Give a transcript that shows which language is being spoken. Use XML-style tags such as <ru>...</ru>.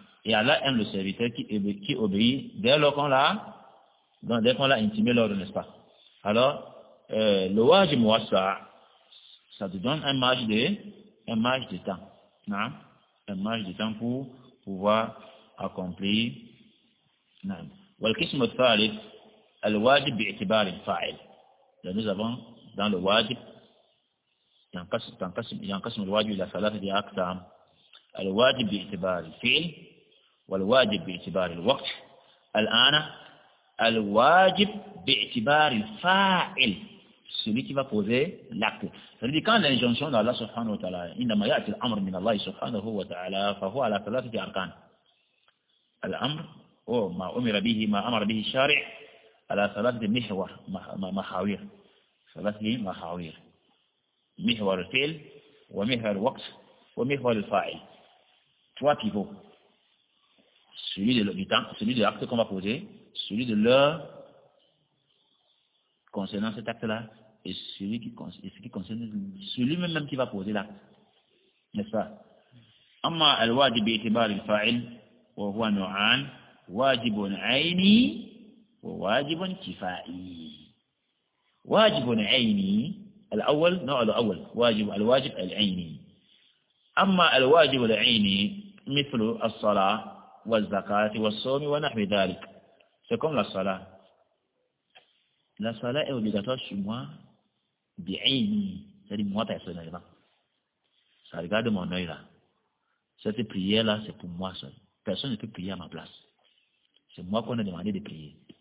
<fr>Et Allah aime le serviteur qui obéit dès qu'on l'a intimé l'ordre, n'est-ce pas? Alors, le wajib muwassa, ça te donne un marge de temps. Non. Un marge de temps pour pouvoir accomplir. Non.</fr> <ar>Wal qism al-thalith, al wajib bi'tibar al-fa'il.</ar> <fr>Là, nous avons dans le wajib,</fr> <ar>ينقسم الواجب إلى ثلاثة أقسام: الواجب باعتبار الفعل، والواجب باعتبار الوقت، الآن الواجب باعتبار الفاعل.</ar> <fr>Celui qui va poser l'acte. C'est-à-dire quand l'injonction d'Allah</fr> <ar>سبحانه وتعالى إنما يأتي الأمر من الله سبحانه وتعالى فهو على ثلاثة أركان. الأمر أو ما أمر به ما أمر به الشارع على ثلاثة محور محاور ثلاثة محاور. محور الفعل ومحور الوقت ومحور الفاعل.</ar> <fr>Trois pivots. Celui du temps, celui de l'acte qu'on va poser, celui de l'heure concernant cet acte-là, et celui qui concerne celui même qui va poser l'acte. N'est-ce pas?</fr> <ar>أما الواجب باعتبار الفاعل وهو نوعان واجب عيني وواجب كفائي. واجب عيني. الأول نوع الأول واجب الواجب العيني. أما الواجب العيني مثل الصلاة والزكاة والصوم ونحو ذلك.</ar> <fr>C'est comme la salat est obligatoire chez moi</fr> <ar>بعيني.</ar> <fr>C'est-à-dire moi personnellement. Ça regarde mon œil là. Cette prière là c'est pour moi seul. Personne ne peut prier à ma place. C'est moi qu'on a demandé de prier.</fr>